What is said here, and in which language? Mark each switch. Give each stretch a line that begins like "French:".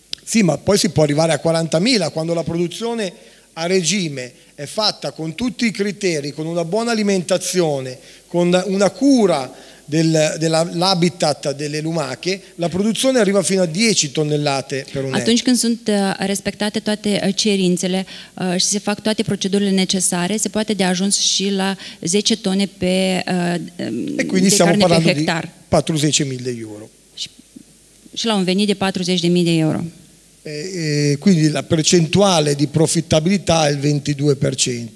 Italian: Sì, ma poi si può arrivare a 40.000 quando la produzione a regime è fatta con tutti i criteri, con una buona alimentazione, con una cura dell'habitat delle lumache, la produzione arriva fino a 10 tonnellate per un
Romanian: Atunci când sunt respectate toate cerințele și se fac toate procedurile necesare, se poate de ajuns și la 10 tone pe
Italian: e quindi stiamo parlando di 40.000 de euro.
Romanian: Și la un venit de 40.000 de euro.
Italian: Quindi la percentuale di profittabilità è il 22%.